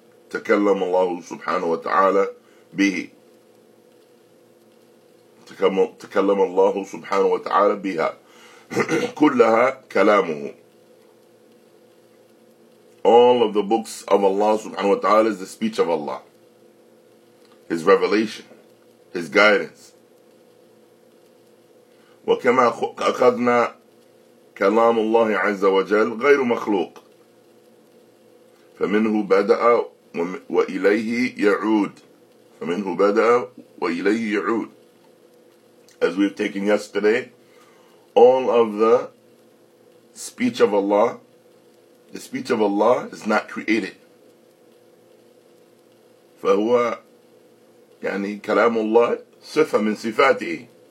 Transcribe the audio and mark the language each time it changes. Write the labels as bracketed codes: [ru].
[ar] Takallam Allah subhanahu wa ta'ala به تكلم الله سبحانه وتعالى بها كلها كلامه. [en] All of the books of Allah [ar] سبحانه وتعالى [en] is the speech of Allah, His revelation, His guidance. [ar] وكما أخذنا كلام الله عز وجل غير مخلوق فمنه بدأ وإليه يعود. فَمِنْهُ بَدَى وَإِلَيْهِ يَعُودْ. [en] As we've taken yesterday, all of the speech of Allah, the speech of Allah is not created. [ar] فَهُوَ يعني كَلَامُ اللَّهِ صِفَةٌ مِنْ صِفَاتِهِ.